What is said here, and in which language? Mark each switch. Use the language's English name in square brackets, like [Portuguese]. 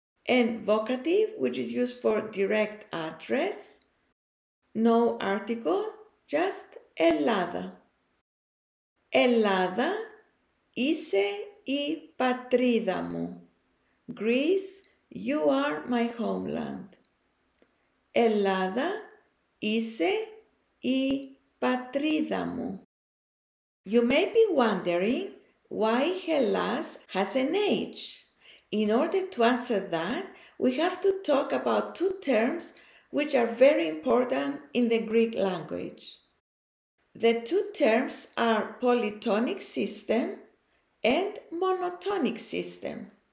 [English] And vocative, which is used for direct address. No article, just Ελλάδα. [Greek] Ελλάδα, είσαι η πατρίδα μου. [English] Greece, you are my homeland. [Greek] Ελλάδα, είσαι η πατρίδα μου. [English] You may be wondering why Hellas has an H. In order to answer that, we have to talk about two terms which are very important in the Greek language. The two terms are polytonic system and monotonic system.